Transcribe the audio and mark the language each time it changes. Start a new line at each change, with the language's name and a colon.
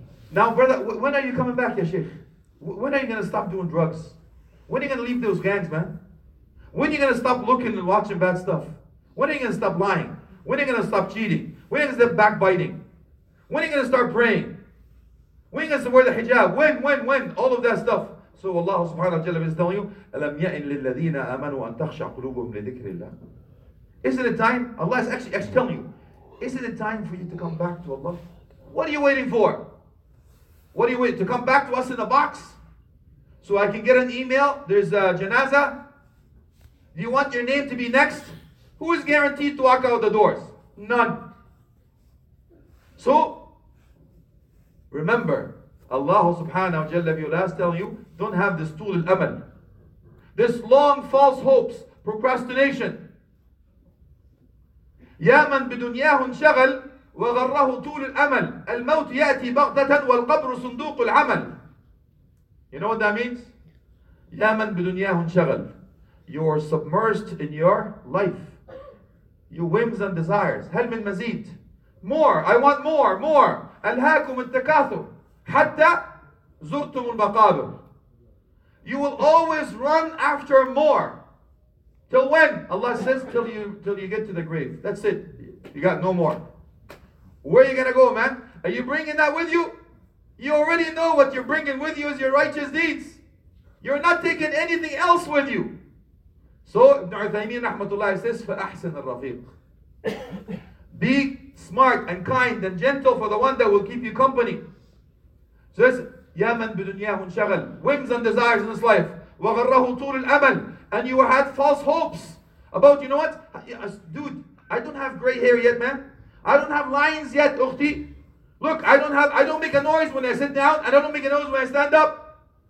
English: Now, brother, when are you coming back, ya Sheikh? When are you going to stop doing drugs? When are you going to leave those gangs, man? When are you going to stop looking and watching bad stuff? When are you going to stop lying? When are you going to stop cheating? When are you going to stop backbiting? When are you going to start praying? When are you going to wear the hijab? When? All of that stuff. So Allah subhanahu wa ta'ala is telling you,
Arabic: أَلَمْ يَأْنِ لِلَّذِينَ آمَنُوا أَن تَخْشَعْ قُلُوبُهُمْ لِذِكْرِ اللَّهِ.
English: Isn't it time? Allah is actually telling you. Isn't it time for you to come back to Allah? What are you waiting for? What are you waiting to come back to us in a box? So I can get an email. There's a janazah. Do you want your name to be next? Who is guaranteed to walk out the doors? None. So, remember, Allah subhanahu wa jalla bi ula is telling you, don't have this tool al-amal. This long false hopes, procrastination.
Arabic: يا من بدنياه انشغل وغره طول الأمل الموت يأتي بغتة والقبر صندوق العمل.
English: You know what that means?
Arabic: يا من بدنياه انشغل.
English: You are submerged in your life. Your whims and desires.
Arabic: هل من مزيد?
English: More. I want more. More.
Arabic: ألهاكم التكاثر حتى زرتم المقابر.
English: You will always run after more. Till when? Allah says, till you get to the grave. That's it. You got no more. Where are you going to go, man? Are you bringing that with you? You already know what you're bringing with you is your righteous deeds. You're not taking anything else with you. So, Ibn Uthaymeen rahmatullah says,
Arabic: فَأَحْسَنَ الرَّفِيقِ.
English: Be smart and kind and gentle for the one that will keep you company. Says,
Arabic: يَا مَنْ بِدُنْيَاهُ انْشَغَلْ.
English: Whims and desires in this life.
Arabic: وَغَرَّهُ طُولُ الْأَمَلِ.
English: And you had false hopes about, you know what? Dude, I don't have gray hair yet, man. I don't have lines yet, ukhti. Look, I don't make a noise when I sit down, and I don't make a noise when I stand up.